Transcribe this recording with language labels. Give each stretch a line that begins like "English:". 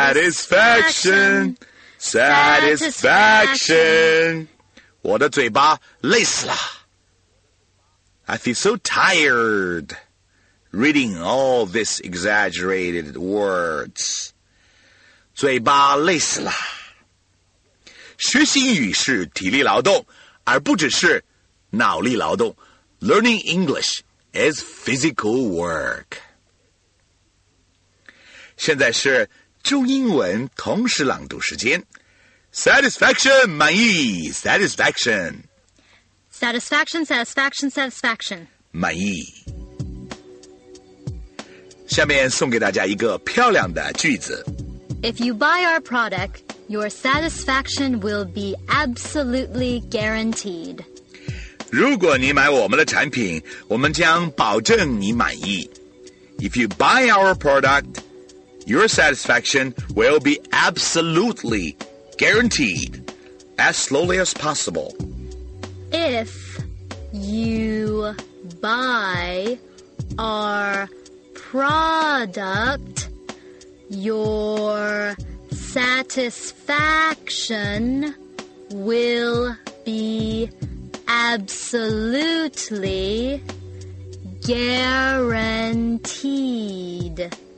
English: Satisfaction. Satisfaction.
Chinese: 我的嘴巴累死了。
English: I feel so tired reading all these exaggerated words.
Chinese: 嘴巴累死了。学习英语是体力劳动，而不只是脑力劳动。
English: Learning English is physical work.
Chinese: 现在是中英文同时朗读时间。
English: Satisfaction,
Chinese: 满意
English: Satisfaction. Satisfaction, satisfaction, satisfaction.
Chinese: 满意。下面送给大家一个漂亮的句子。
English: If you buy our product, your satisfaction will be absolutely guaranteed.
Chinese: 如果你买我们的产品，我们将保证你满意。
English: If you buy our product, your satisfaction will be absolutely guaranteed. As slowly as possible. If you buy our product, your satisfaction will be absolutely guaranteed.